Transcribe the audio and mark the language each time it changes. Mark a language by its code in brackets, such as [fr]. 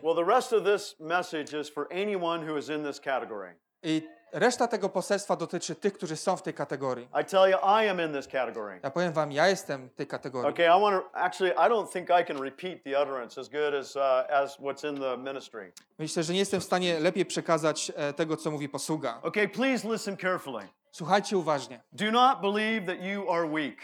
[en] Well, the rest of this message is for anyone who is in this category. [pl] I reszta tego poselstwa dotyczy tych, którzy są w tej kategorii. [en] I tell you, I am in this category. [pl] Ja powiem wam, ja jestem w tej kategorii. [en] Okay, I want to actually, I don't think I can repeat the utterance as good as what's in the ministry. [pl] Myślę, że nie jestem w stanie lepiej przekazać tego, co mówi posługa. [en] Okay, please listen carefully. [pl] Słuchajcie uważnie. [en] Do not believe that you are weak.